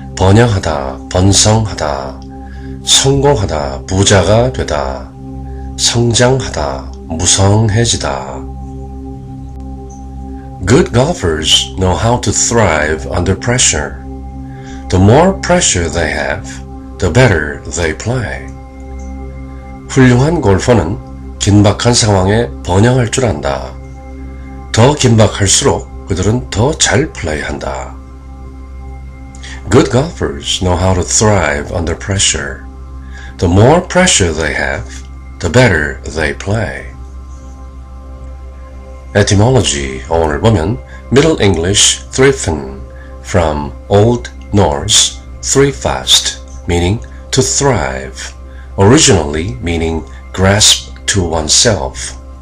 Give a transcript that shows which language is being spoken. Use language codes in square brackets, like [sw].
[ko] 번영하다, 번성하다, 성공하다, 부자가 되다, 성장하다, 무성해지다. [en] Good golfers know how to thrive under pressure. The more pressure they have, the better they play. [ko] 훌륭한 골퍼는 긴박한 상황에 번영할 줄 안다. 더 긴박할수록 그들은 더 잘 플레이한다. [en] Good golfers know how to thrive under pressure. The more pressure they have, the better they play. Etymology, [ko] 오늘 보면 [en] Middle English, thrifen, from Old Norse, thrifast, meaning to thrive, originally meaning grasp to oneself.